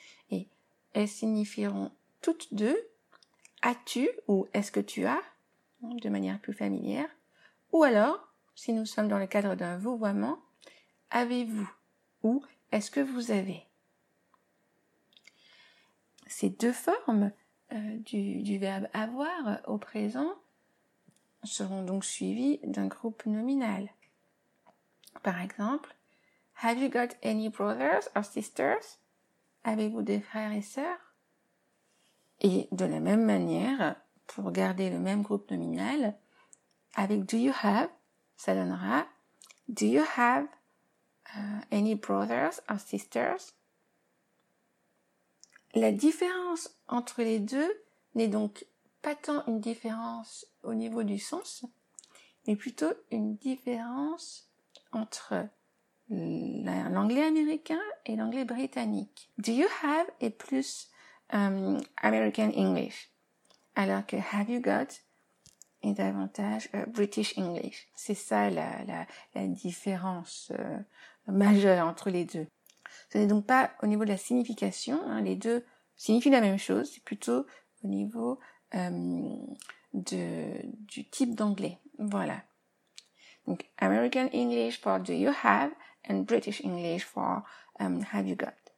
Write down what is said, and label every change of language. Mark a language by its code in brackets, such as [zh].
[fr] Et elles signifieront toutes deux as-tu ou est-ce que tu as, de manière plus familière, ou alors, si nous sommes dans le cadre d'un vouvoiement, avez-vous ou est-ce que vous avez. Ces deux formes du verbe avoir au présent seront donc suivies d'un groupe nominal. Par exemple, [en] have you got any brothers or sisters? [fr] Avez-vous des frères et sœurs? Et de la même manière, pour garder le même groupe nominal, avec « [en] do you have [fr] », ça donnera « [en] do you have any brothers or sisters ?» [fr] La différence entre les deux n'est donc pas tant une différence au niveau du sens, mais plutôt une différence entre l'anglais américain et l'anglais britannique. « [en] Do you have [fr] » est plus American English, alors que [en] have you got [fr] est davantage British English. C'est ça la différence majeure entre les deux. Ce n'est donc pas au niveau de la signification, hein, les deux signifient la même chose, c'est plutôt au niveau du type d'anglais. Voilà. Donc [en] American English for do you have and British English for have you got.